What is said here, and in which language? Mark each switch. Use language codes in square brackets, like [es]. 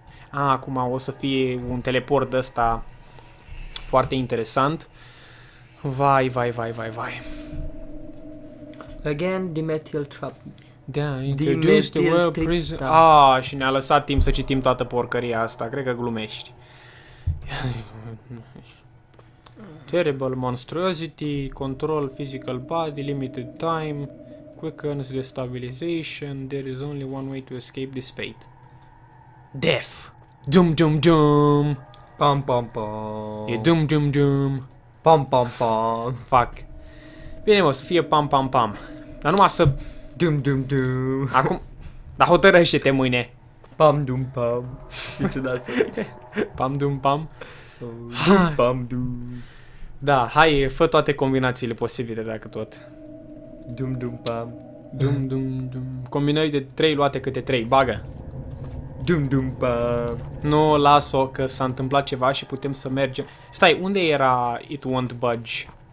[ro] acum o să fie un teleport ăsta foarte interesant. Vai. [en] Again, the metal trap. [ro] Da, [en] introduce the world prison. [ro] Și ne-a lăsat timp să citim toată porcăria asta. Cred că glumești. [en] Terrible monstrosity, control physical body, limited time, quickens the stabilization, there is only one way to escape this fate. Death. Dum dum dum. Pam pam pam. E dum dum dum. Pam pam pam. Fuck. [ro] Bine, mă, să fie pam pam pam. Dar numai să... Dum dum dum. Acum... Dar hotărăște-te mâine. Pam dum pam. E ciudat. Pam dum pam. Dum pam dum. Da, hai, fă toate combinațiile posibile, dacă tot. Dum dum pam. Dum dum dum. Combinări de 3 luate câte 3, bagă. Dum dum pam. Nu, las-o, că s-a întâmplat ceva și putem să mergem. Stai, unde era It Won't Budge?